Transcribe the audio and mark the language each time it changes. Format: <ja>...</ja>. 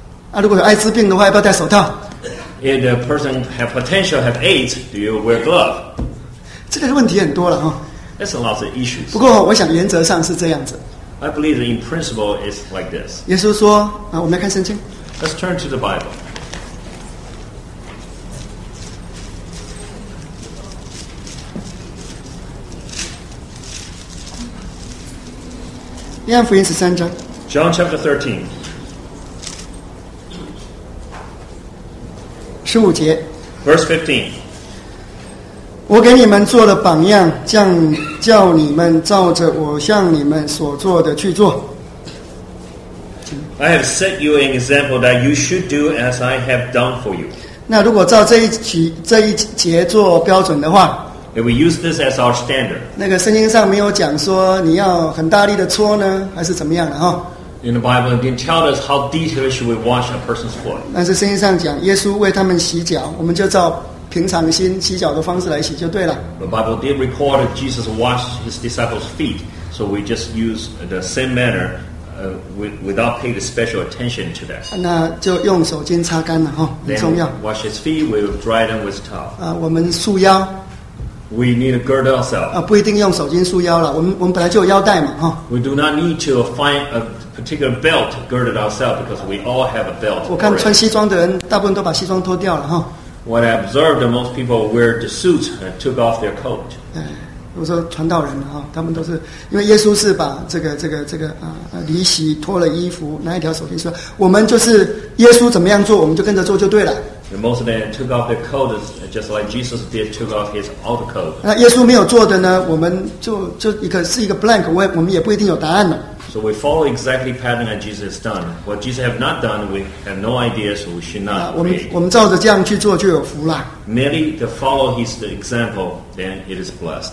<zh>啊，如果有艾滋病的话，要不要戴手套？</zh> <en>If the person have potential have AIDS, do you wear glove?</en> <zh>这个问题很多了哈。</zh> <en>That's a lot of issues.</en> <zh>不过我想原则上是这样子。</zh> <en>I believe in principle it's like this.</en> <zh>耶稣说啊，我们来看圣经。</zh> <en>Let's turn to the Bible.</en> <zh>约翰福音十三章。</zh> <en>John chapter 13.</en> <zh>十五节</zh> <en>，verse 15。</en> <zh>我给你们做了榜样，叫你们照着我向你们所做的去做。</zh> <en>I have set you an example that you should do as I have done for you。</en> <zh>那如果照这一节做标准的话</zh> <en>，if we use this as our standard，</en> <zh>那个圣经上没有讲说你要很大力的搓呢，还是怎么样的哈？</zh> <en>In the Bible, it didn't tell us how detailed should we wash a person's foot.</en> <zh>但是圣经上讲，耶稣为他们洗脚，我们就照平常心洗脚的方式来洗就对了。</zh> <en>The Bible did record that Jesus washed his disciples' feet, so we just use the same manner, without paying the special attention to that.</en> <zh>那就用手巾擦干了哈，很重要。</zh> <en>Then wash his feet, we dry them with towel.</en> <zh>我们束腰。</zh> <en>We need to gird ourselves.</en> <zh>不一定用手巾束腰了，我们本来就有腰带嘛哈。</zh> <en>We do not need to find a particular belt girded ourselves because we all have a belt.</en> <zh>我看穿西装的人大部分都把西装脱掉了哈。</zh> <en>What I observed, most people wear the suits and took off their coat.</en> <zh>我说传道人哈，他们都是因为耶稣是把这个离席脱了衣服，拿一条手巾说，我们就是耶稣怎么样做，我们就跟着做就对了。</zh> <en>And most of them took off their coats just like Jesus did, took off his outer coat.</en> <zh>那耶稣没有做的呢？我们就一个是一个 blank， 我们也不一定有答案了。</zh> <en>So we follow exactly pattern that Jesus has done. What Jesus have not done, we have no idea, so we should not.</en> <zh>我们照着这样去做就有福了。</zh> <en>Merely to follow his example, then it is blessed.</en>